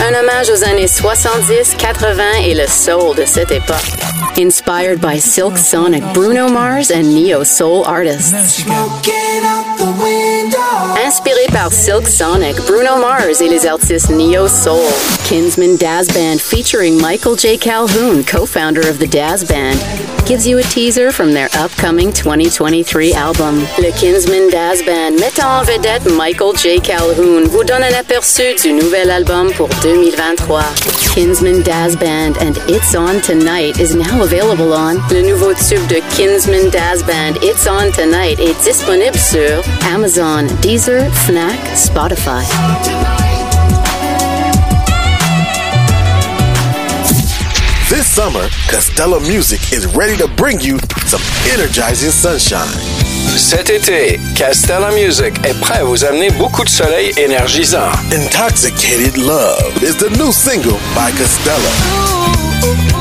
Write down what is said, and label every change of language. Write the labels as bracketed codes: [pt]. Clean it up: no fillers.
[fr] Un hommage aux années 70, 80 et le soul de cette époque. [en] Inspired by Silk Sonic, Bruno Mars and Neo Soul artists. [fr] Inspiré par Silk Sonic, Bruno Mars et les artistes Neo Soul. [en] Kingsman Dance Band featuring Michael J. Calhoun, co-founder of the Dance Band, gives you a teaser from their upcoming 2023 album. [fr] Le Kingsman Dance Band mettant en vedette Michael J. Calhoun vous donne un aperçu du nouvel album pour 2023. [en] Kingsman Dance Band and It's On Tonight is now available on. [fr] Le nouveau tube de Kingsman Dance Band It's On Tonight est disponible sur Amazon, Deezer, Fnac, Spotify. [en] This summer, Costello Music is ready to bring you some energizing sunshine. [fr] Cet été, Castella Music est prêt à vous amener beaucoup de soleil énergisant. [en] Intoxicated Love is the new single by Castella.